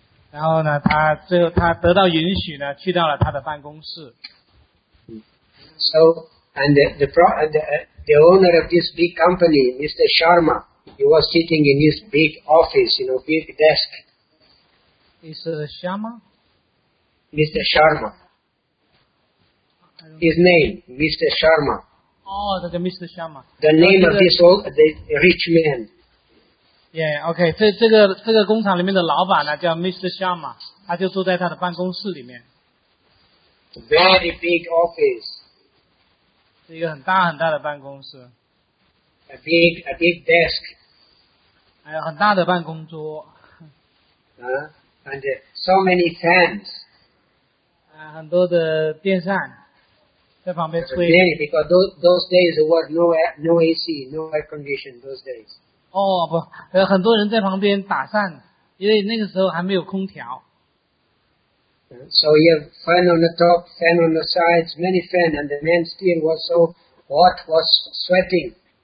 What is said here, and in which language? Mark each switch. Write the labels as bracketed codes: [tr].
[zh] 然后呢他最后他得到允许呢去到了他的办公室。 [en] So, and the owner of this big company, Mr. Sharma, he was sitting in his big office, you know, big desk. Mr. Sharma? Mr. Sharma. His name, Mr. Sharma. Oh, that's Mr. Sharma. The name of this old, the rich man. Yeah, okay. [zh] 这个工厂里面的老板呢叫 Mr. Sharma, 他就坐在他的办公室里面。 [en] Very big office. [zh] 是一个很大很大的办公室。 [en] A big desk. [zh] 还有很大的办公桌。 [en] And so many fans. [zh] 很多的电扇在旁边吹。 [en] Really, because those days there was no AC, no air condition those days. [zh] 哦不，很多人在旁边打扇，因为那个时候还没有空调。 [en] So you have fan on the top, fan on the sides, many fans, and the man still was so hot, was sweating.